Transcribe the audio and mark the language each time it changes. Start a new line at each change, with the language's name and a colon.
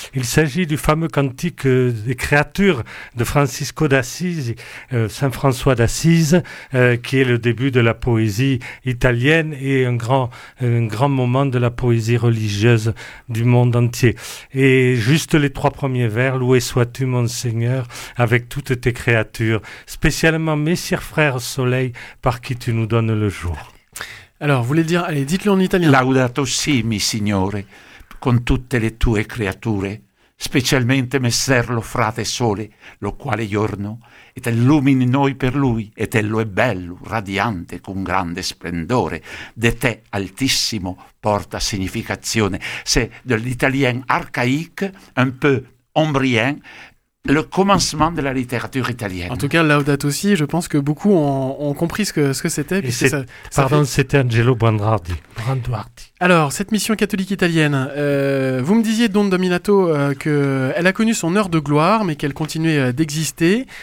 French: Il s'agit du fameux cantique des créatures de Francisco d'Assise, Saint François d'Assise, qui est le début de la poésie italienne et un grand moment de la poésie religieuse du monde entier. Et juste les trois premiers vers, « Loué sois-tu, mon Seigneur, avec toutes tes créatures, spécialement mes chers frères soleil, par qui tu nous donnes le jour. » Alors, vous voulez dire, allez, dites-le en italien.
Italian: Laudato si, mi signore, con tutte le tue creature, specialmente messer lo frate sole, lo quale giorno, et illumini noi per lui, et ello è bello, radiante, con grande splendore, de te, altissimo, porta significazione.
French: C'est de l'italien archaïque, un peu ombrien, le commencement de la littérature italienne. En tout cas, Laudato si, je pense que beaucoup ont compris ce que c'était. C'était Angelo Branduardi. Alors, cette mission catholique italienne, vous me disiez, Don Dominato, qu'elle a connu son heure de gloire, mais qu'elle continuait d'exister.